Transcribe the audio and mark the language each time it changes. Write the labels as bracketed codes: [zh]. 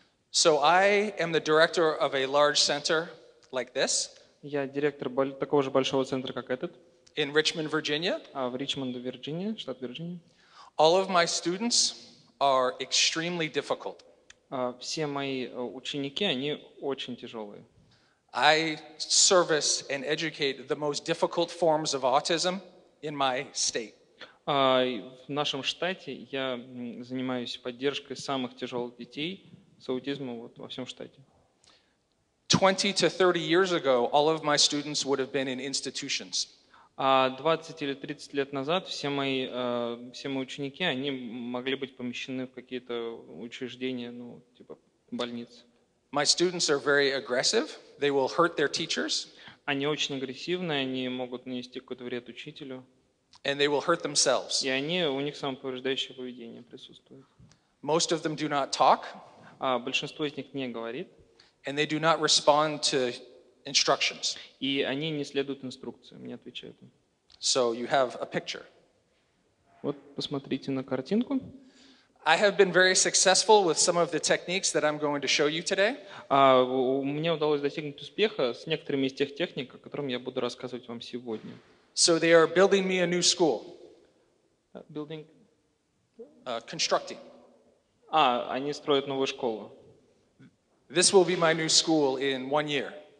[en] So I am the director of a large center like this. [ru] Я директор такого же большого центра, как этот. [en] In Richmond, Virginia. [ru] А в Ричмонде, Вирджиния, штат Вирджиния. [en] All of my students are extremely difficult. [ru] Все мои ученики, они очень тяжелые. [en] I service and educate the most difficult forms of autism in my state. [ru] В нашем штате я занимаюсь поддержкой самых тяжелых детей с аутизмом вот во всем штате. [en] 20 to 30 years ago, all of my students would have been in institutions. [ru] 20 или 30 лет назад все мои ученики, они могли быть помещены в какие-то учреждения, ну, типа больницы. [en] My students are very aggressive. They will hurt their teachers. [ru] Они очень агрессивны, они могут нанести какой-то вред учителю. [en] And they will hurt themselves. [ru] И они, у них самоповреждающее поведение присутствует. [en] Most of them do not talk. [ru] Большинство из них не говорит. [en] And they do not respond to instructions. [ru] И они не следуют инструкциям, не отвечают им. [en] So you have a picture. [ru] Вот посмотрите на картинку. [en] I have been very successful with some of the techniques that I'm going to show you today. [ru] Мне удалось достигнуть успеха с некоторыми из тех техник, о которых я буду рассказывать вам сегодня. [en] So they are building me a new school. Building. Constructing. [ru] Они строят новую школу. [en] This will be my new school in 1 year.